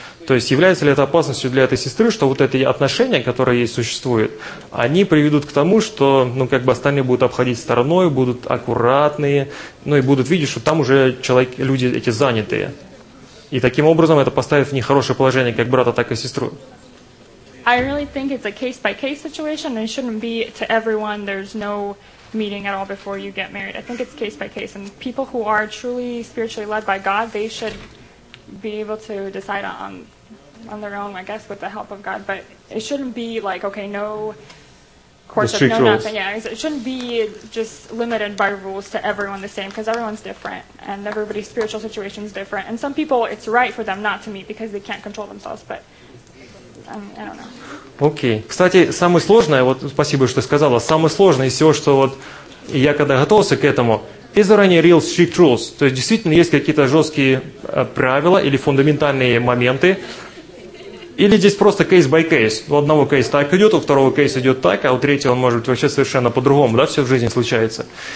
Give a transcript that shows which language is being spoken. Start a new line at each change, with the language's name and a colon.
Russian: То есть является ли это опасностью для этой сестры, что вот эти отношения, которые ей существуют, они приведут к тому, что ну как бы остальные будут обходить стороной, будут аккуратные, ну и будут видеть, что там уже человек, люди эти занятые. И таким образом это поставит в них хорошее положение как брата, так и сестру.
English: I really think it's a case-by-case situation, and it shouldn't be to everyone, there's no meeting at all before you get married. I think it's case-by-case, and people who are truly spiritually led by God, they should be able to decide on their own, I guess, with the help of God, but it shouldn't be like, okay, no courtship, no nothing. Yeah, it shouldn't be just limited by rules to everyone the same, because everyone's different, and everybody's spiritual situation is different, and some people, it's right for them not to meet, because they can't control themselves, but...
Russian: Окей. Okay. Кстати, самое сложное, вот спасибо, что сказала, самое сложное из всего, что вот я когда готовился к этому,
English: is there any real strict rules?
Russian: То есть действительно есть какие-то жесткие правила или фундаментальные моменты? Или здесь просто
English: case by case?
Russian: У одного кейса так идет, у второго кейса идет так, а у третьего он может быть вообще совершенно по-другому, да, все в жизни случается.